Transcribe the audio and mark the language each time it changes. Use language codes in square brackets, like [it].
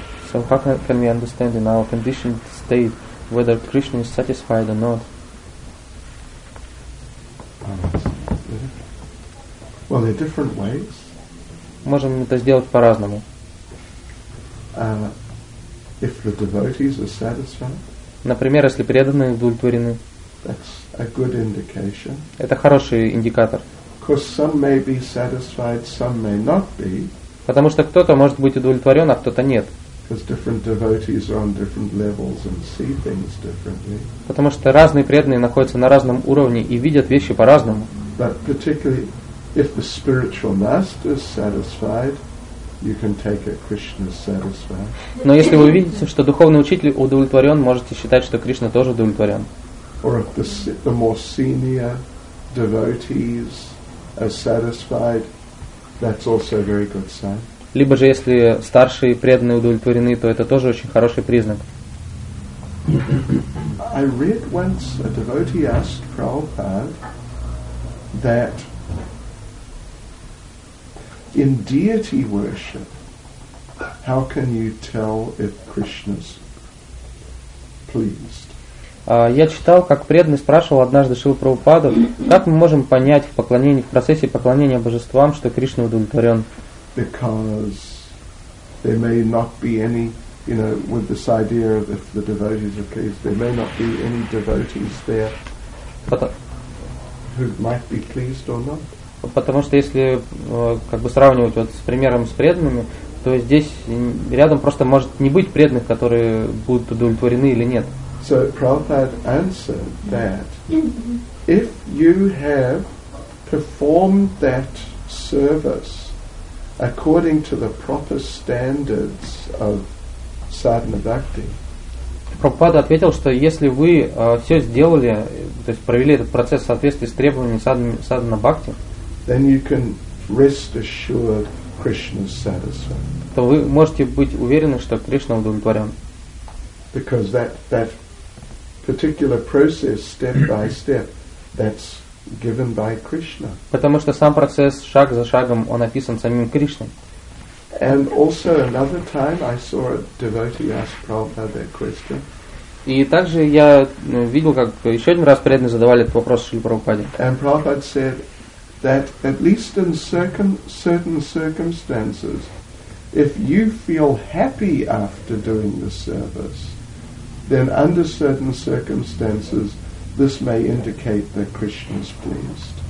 [en] So how can we understand in our conditioned state whether Krishna is satisfied or not? Well, there are different ways. [ru] Можем это сделать по-разному. [en] If the devotees are satisfied, [ru] например, если преданные удовлетворены, [en] that's a good indication. [ru] Это хороший индикатор. [en] Because some may be satisfied, some may not be. [ru] Потому что кто-то может быть удовлетворен, а кто-то нет. [en] Because different devotees are on different levels and see things differently. [ru] Потому что разные преданные находятся на разном уровне и видят вещи по-разному. [en] But particularly if the spiritual master is satisfied, you can take it Krishna's satisfied. [ru] Но если вы видите, что духовный учитель удовлетворен, можете считать, что Кришна тоже удовлетворен. [en] Or if the more senior devotees are satisfied, that's also a very good sign. [ru] Либо же, если старшие преданные удовлетворены, то это тоже очень хороший признак. [en] I read once a devotee asked Prabhupada that in deity worship, how can you tell if Krishna's pleased? [ru] Я читал, как преданный спрашивал однажды Шрилу Прабхупаду, как мы можем понять в поклонении, в процессе поклонения божествам, что Кришна удовлетворен? [en] Because there may not be any, you know, with this idea of if the devotees are pleased, there may not be any devotees there who might be pleased or not. [ru] Потому что если как бы сравнивать вот с примером с преданными, то здесь рядом просто может не быть преданных, которые будут удовлетворены или нет. [en] So Prabhupada answered that if you have performed that service according to the proper standards of sadhana bhakti. [ru] Прабхупада ответил, что если вы все сделали, то есть провели этот процесс в соответствии с требованиями садхана бхакти, [en] then you can rest assured Krishna's satisfied. [ru] То вы можете быть уверены, что Кришна удовлетворен. [en] Because that particular process, step by step, that's given by Krishna. [ru] Потому что сам процесс шаг за шагом он описан самим Кришной. [en] And also another time I saw a devotee ask Prabhupada that question. [ru] И также я видел, как еще один раз преданные задавали этот вопрос Шриле Прабхупаде. [en] And Prabhupada said that at least in certain circumstances, if you feel happy after doing the service, then under certain circumstances, this may indicate that Krishna is pleased.